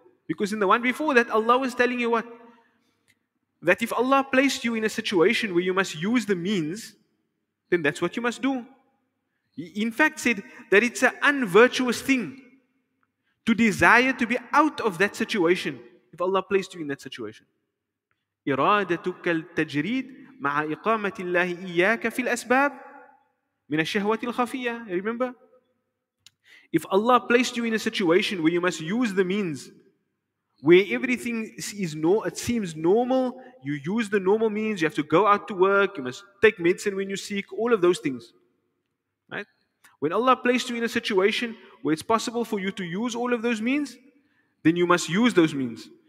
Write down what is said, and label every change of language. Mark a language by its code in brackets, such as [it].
[en] Because in the one before that, Allah was telling you what? That if Allah placed you in a situation where you must use the means, then that's what you must do. He in fact said that it's an unvirtuous thing to desire to be out of that situation if Allah placed you in that situation. [ar] إرادتك التجريد مع إقامة الله إياك في الأسباب من الشهوة الخفية. [en] Remember? If Allah placed you in a situation where you must use the means, where everything is it seems normal, you use the normal means, you have to go out to work, you must take medicine when you seek, all of those things. Right? When Allah placed you in a situation where it's possible for you to use all of those means, then you must use those means.